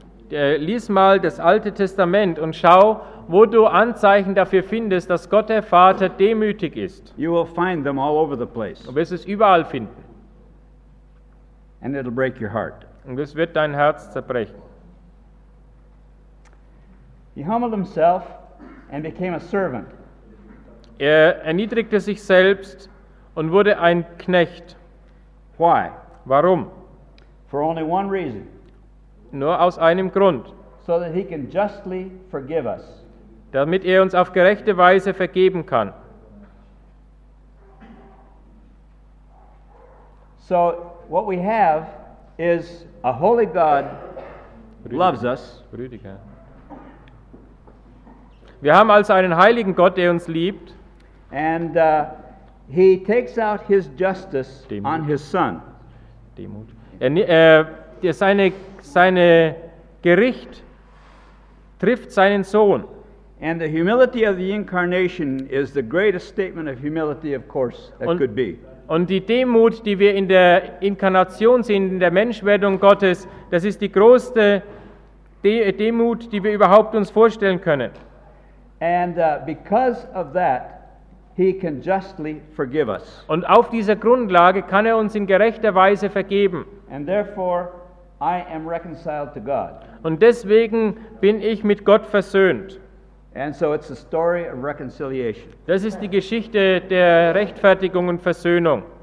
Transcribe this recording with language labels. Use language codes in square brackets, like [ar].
[de] Lies mal das Alte Testament und schau, wo du Anzeichen dafür findest, dass Gott der Vater demütig ist. [en] You will find them all over the place. [de] Du wirst es überall finden. [en] And it'll break your heart. [de] Und es wird dein Herz zerbrechen. [en] He humbled himself and became a servant. [de] Er erniedrigte sich selbst und wurde ein Knecht. [en] Why? [de] Warum? [en] For only one reason. [de] Nur aus einem Grund. [en] So that he can justly forgive us. [de] Damit er uns auf gerechte Weise vergeben kann. [en] So what we have is a holy God loves us. [de] Rüdiger. Wir haben also einen heiligen Gott, der uns liebt. [en] And he takes out his justice [de] Demut. [en] On his son. [de] Demut. Seine Gericht trifft seinen Sohn. [en] And the humility of the incarnation is the greatest statement of humility, of course, that [de] und, [en] could be. [de] Und die Demut, die wir in der Inkarnation sehen, in der Menschwerdung Gottes, das ist die größte Demut, die wir überhaupt uns vorstellen können. [en] And because of that, he can justly forgive us. [de] Und auf dieser Grundlage kann er uns in gerechter Weise vergeben. [en] And therefore I am reconciled to God. [de] Und deswegen bin ich mit Gott versöhnt. [en] And so it's a story of reconciliation. [de] Das ist die Geschichte der Rechtfertigung und Versöhnung.